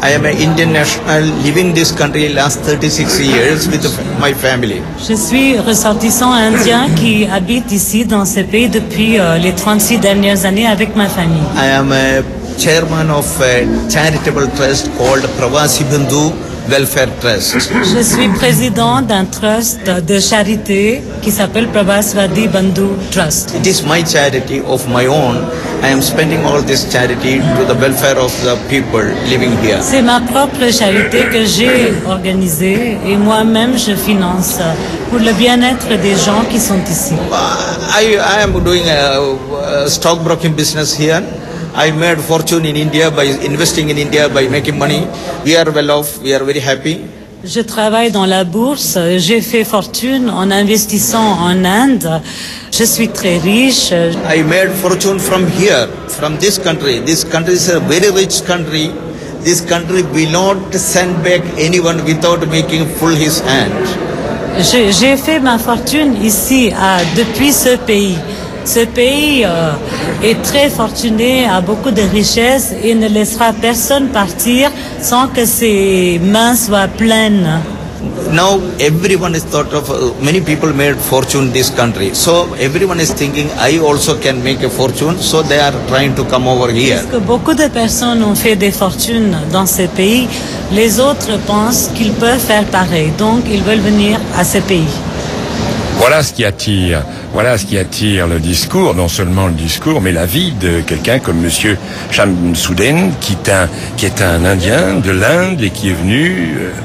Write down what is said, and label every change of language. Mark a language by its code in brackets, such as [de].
[en] I am an Indian national living this country last 36 years with my family. [fr] Je suis ressortissant indien qui habite ici dans ce pays depuis les 36 dernières années avec ma famille. [en] I am a chairman of a charitable trust called Pravasi Bindu Welfare Trust. [fr] Je suis président d'un trust de charité qui s'appelle Pravasvadi Bandhu Trust. [en] It is my charity of my own. I am spending all this charity to the welfare of the people living here. [fr] C'est ma propre charité que j'ai organisée et moi-même je finance pour le bien-être des gens qui sont ici. [en] I am doing a stockbroking business here. I made fortune in India by investing in India, by making money. We are well off, we are very happy. [fr] Je travaille dans la bourse, j'ai fait fortune en investissant en Inde. Je suis très riche. [en] I made fortune from here, from this country. This country is a very rich country. This country will not send back anyone without making full his hand. [fr] J'ai fait ma fortune ici, depuis ce pays. Ce pays est très fortuné, a beaucoup de richesses et ne laissera personne partir sans que ses mains soient pleines. [en] Now everyone is thought of, many people made fortune in this country. So everyone is thinking, I also can make a fortune. So they are trying to come over here. [fr] Parce que beaucoup de personnes ont fait des fortunes dans ce pays, les autres pensent qu'ils peuvent faire pareil. Donc ils veulent venir à ce pays. Voilà ce qui attire. Voilà ce qui attire le discours, non seulement le discours, mais la vie de quelqu'un comme Monsieur Shamsuddin, qui est un Indien de l'Inde et qui est venu